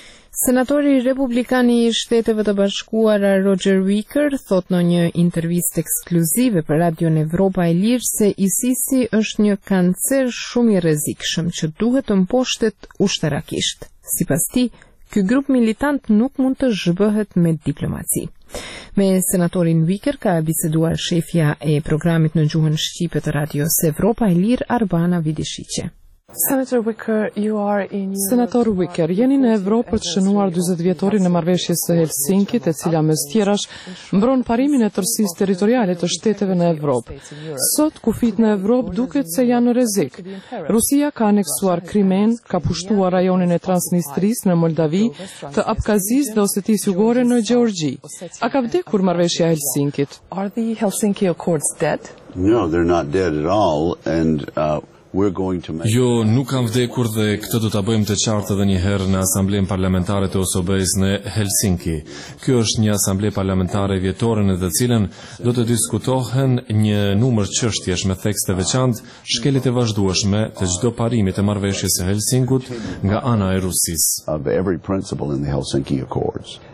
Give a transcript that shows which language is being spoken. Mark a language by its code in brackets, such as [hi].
[sq] Senatori Republikani i Shteteve të Bashkuara Roger Wicker thot në një intervistë ekskluzive për Radion Evropa e Lirë se ISIS-i është një kancer shumë i rrezikshëm që duhet të mposhtet ushtarakisht. Sipas tij, ky grup militant nuk mund të zhbëhet me diplomaci. Me senatorin Wicker ka biseduar shefja e programit në gjuhën shqipe të Radios Evropa e Lirë, Arbana Vidishiqe. [en] Senator Wicker, you are in Europe. [sq] Senator Wicker, jeni në Evropë për të shënuar 40 vjetorin e marrëveshjes së Helsinkit, e cila mes tjerash mbron parimin e tërësisë territoriale të shteteve në Evropë. Sot kufit në Evropë duket se janë në rrezik. Rusia ka aneksuar Krimen, ka pushtuar rajonin e Transnistris në Moldavi, të Abkazis dhe Osetis Jugore në Gjeorgji. A ka vdekur marrëveshja e Helsinkit? [en] Are the Helsinki Accords dead? No, they're not dead at all and [sq] Jo, nuk kam vdekur dhe këtë do ta bëjmë të qartë edhe një herë në asamblen parlamentare të OSOBE-s në Helsinki. Kjo është një asamble parlamentare vjetore në të cilën do të diskutohen një numër çështjesh me tekste veçantë, shkelet e vazhdueshme të çdo parimi të marrëveshjes së Helsingut nga ana e Rusisë.